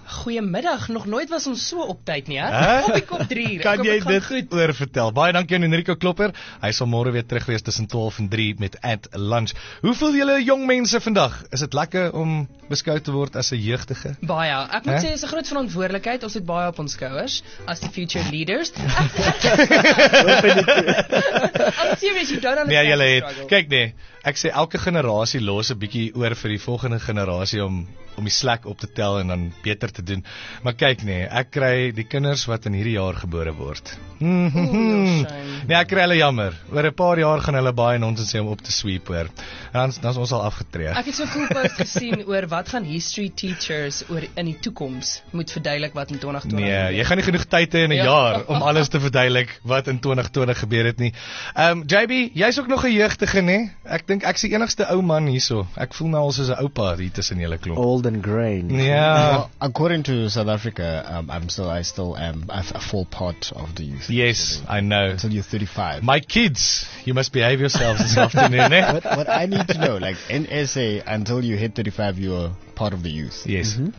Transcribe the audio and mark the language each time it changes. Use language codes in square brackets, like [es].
[af] Goeiemiddag, nog nooit was ons so op tyd nie, hè? Kom 3:00. Kan jy dit oor vertel? Baie dankie aan Enrico Klopper. Hy sal môre weer terug wees tussen 12 en 3 met At Lunch. Hoe voel julle jong mense vandag? Is dit lekker om beskou te word as 'n jeugdige? Baie. Ek moet sê dis 'n groot verantwoordelikheid. Ons het baie op ons skouers as die [en] future leaders. I'm serious, you don't understand. [af] Ja, julle het. Kyk nee, ek sê elke generasie los 'n bietjie oor vir die volgende generasie om die slack op te tel en dan beter te doen. Maar kyk nee, ek kry die kinders wat in hierdie jaar gebore word. Nee, ek kry hulle jammer. Oor 'n paar jaar gaan hulle baie nonsens sê om op te sweep hoor. En dan is ons al afgetree. Ek het so 'n cool post gesien oor wat gaan history teachers oor in die toekoms moet verduidelik wat in 2020 gebeur. Nee, jy gaan nie genoeg tyd hê in 'n jaar om alles te verduidelik wat in 2020 gebeur het nie. JB, jy's ook nog 'n jeugdige nê? Ek dink ek is die enigste ou man hierso. Ek voel nou al soos 'n oupa hier tussen julle klop. [en] Old and gray. Ja. Yeah. Well, according to South Africa, I still am a full part of the youth. Yes, I know. Until you're 35. My kids, you must behave yourselves this afternoon, eh? What I need to know, like in SA, until you hit 35, you're part of the youth. Yes. Mm-hmm.